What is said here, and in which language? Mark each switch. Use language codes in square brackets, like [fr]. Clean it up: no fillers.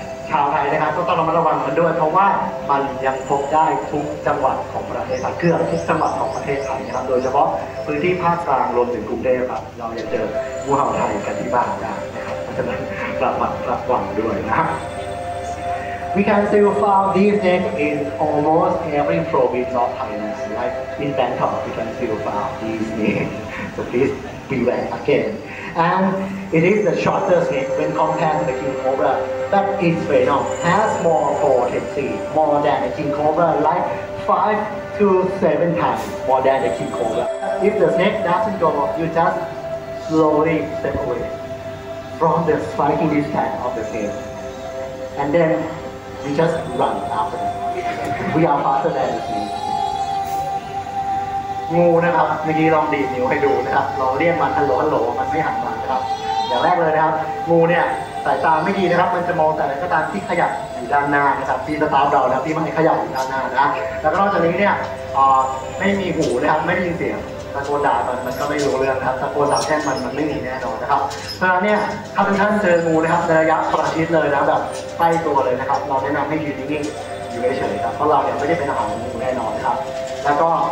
[th] ชาวไทยนะครับก็ต้องระมัดระวังมันด้วยเพราะว่ามันยังพบได้ทุกจังหวัดของประเทศไทยเกือบทุกจังหวัดของประเทศไทยนะครับโดยเฉพาะพื้นที่ภาคกลางรวมถึงกรุงเทพครับเรายังเจองูเห่าไทยกันที่บ้านได้นะครับ [en] We can still find these snakes in almost every province of Thailand. Like in Bangkok, we can still find these snakes. So please beware again. And it is the shorter snake when compared to the king cobra. But its venom has more potency, more than the king cobra, like 5-7 times more than the king cobra. If the snake doesn't go off, you just slowly step away. From the spiking distance of the snake, and then we just run after them. We are faster than the snake. [th] งูนะครับเมื่อกี้ลองดีดนิ้วให้ดูนะครับลองเรียกมันฮัลโหลฮัลโหลมันไม่หันมานะครับอย่างแรกเลยนะครับงูเนี่ย สายตาไม่ดีนะครับมันจะมองแต่อะไรก็ตามที่ขยับอยู่ด้านหน้านะครับที่สตาร์ทเรานะที่มันขยับอยู่ด้านหน้านะแล้วก็นอกจากนี้เนี่ยไม่มีหูนะครับไม่ได้ยินเสียงตะโกนด่ามันก็ไม่รู้เรื่องครับตะโกนด่าแค่มันไม่มีแน่นอนนะครับเพราะฉะนั้นเนี่ยถ้าท่านเจองูนะครับในระยะประชิดเลยนะแบบใกล้ตัวเลยนะครับเราแนะนำให้ยืนนิ่งๆอยู่เฉยๆครับเพราะเราเนี่ยไม่ได้เป็นอาหารของงูแน่นอนนะครับแล้วก็